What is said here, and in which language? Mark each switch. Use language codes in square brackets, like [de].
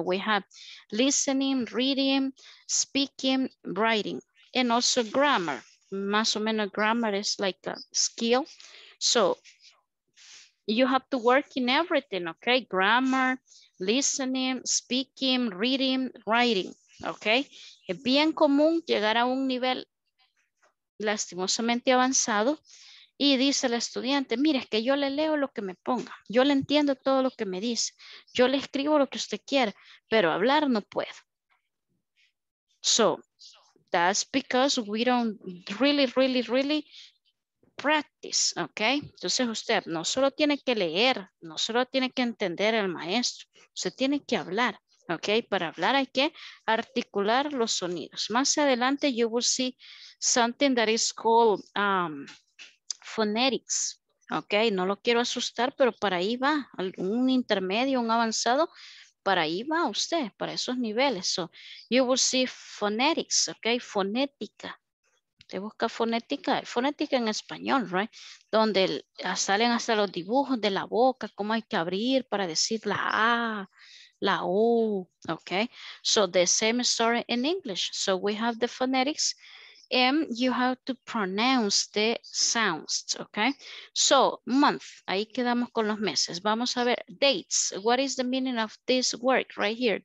[en] We have listening, reading, speaking, writing, and also grammar. [es] Más o menos [en] grammar is like a skill. So you have to work in everything, okay? Grammar, listening, speaking, reading, writing, okay? [es] Es bien común llegar a un nivel lastimosamente avanzado y dice el estudiante, mire, es que yo le leo lo que me ponga, yo le entiendo todo lo que me dice, yo le escribo lo que usted quiera, pero hablar no puedo. [en] So that's because we don't really, really, really practice, ok. [es] Entonces usted no solo tiene que leer, no solo tiene que entender al maestro, usted tiene que hablar, ok. Para hablar hay que articular los sonidos. Más adelante [en] you will see something that is called phonetics, ok. [es] No lo quiero asustar, pero para ahí va, un intermedio, un avanzado, para ahí va usted, para esos niveles. [en] So you will see phonetics, ok, fonética. [es] Te busca fonética, fonética en español, right? Donde salen hasta los dibujos de la boca, cómo hay que abrir para decir la A, la U, okay? [en] So the same story in English. So we have the phonetics and you have to pronounce the sounds, okay? [es] So month, ahí quedamos con los meses. Vamos a ver dates. [en] What is the meaning of this word right here?